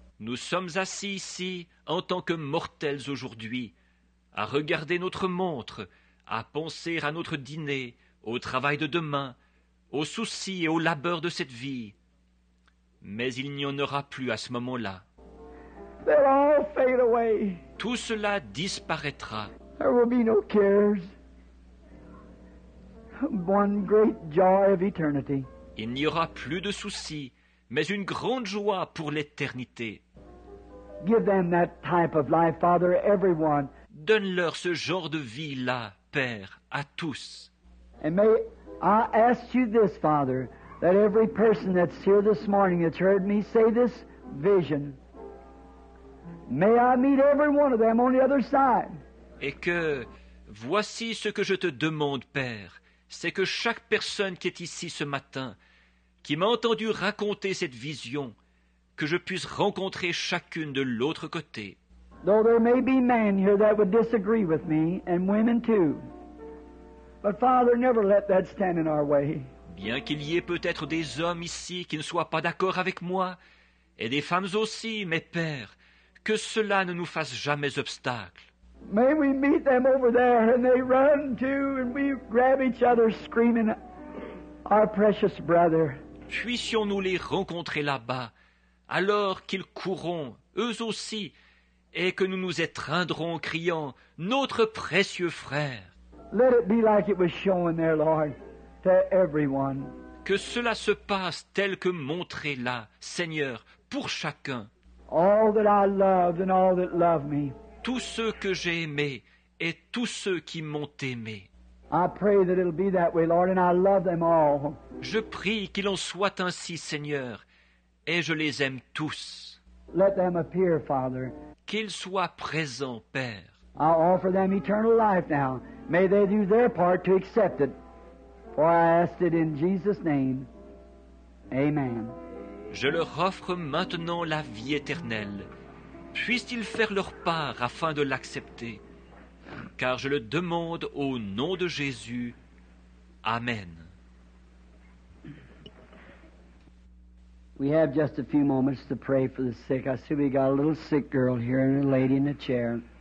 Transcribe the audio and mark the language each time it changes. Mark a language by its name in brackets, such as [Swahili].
[French] Nous sommes assis ici en tant que mortels aujourd'hui, à regarder notre montre, à penser à notre dîner, au travail de demain, aux soucis et aux labeurs de cette vie. Mais il n'y en aura plus à ce moment-là. [English] They'll all fade away. [French] Tout cela disparaîtra. [English] There will be no cares. One great joy of eternity. [French] Il n'y aura plus de soucis, mais une grande joie pour l'éternité. [English] Give them that type of life, Father, everyone. [French] Donne-leur ce genre de vie-là, Père, à tous. [English] And may I ask you this, Father, that every person that's here this morning that's heard me say this vision, may I meet every one of them on the other side. [French] Et que voici ce que je te demande, Père, c'est que chaque personne qui est ici ce matin, qui m'a entendu raconter cette vision, que je puisse rencontrer chacune de l'autre côté. [English] Though there may be men here that would disagree with me, and women too, but Father, never let that stand in our way. [French] Bien qu'il y ait peut-être des hommes ici qui ne soient pas d'accord avec moi, et des femmes aussi, mes pères, que cela ne nous fasse jamais obstacle. [English] May we meet them over there, and they run too, and we grab each other screaming, our precious brother. [French] Puissions-nous les rencontrer là-bas, alors qu'ils courront, eux aussi, et que nous nous étreindrons en criant, notre précieux frère. [English] Let it be like it was shown there, Lord, to everyone. [French] Que cela se passe tel que montré là, Seigneur, pour chacun. [English] All that I loved and all that love me. [French] Tous ceux que j'ai aimés et tous ceux qui m'ont aimé. [English] I pray that it'll be that way, Lord, and I love them all. [French] Je prie qu'il en soit ainsi, Seigneur, et je les aime tous. [English] Let them appear, Father. [French] Qu'ils soient présents, Père. [English] I offer them eternal life now. May they do their part to accept it, for I ask it in Jesus' name. Amen. [French] Je leur offre maintenant la vie éternelle. Puissent-ils faire leur part afin de l'accepter, car je le demande au nom de Jésus. Amen. [English] We have just a few moments to pray for the sick. I see we got a little sick girl here and a lady in a chair.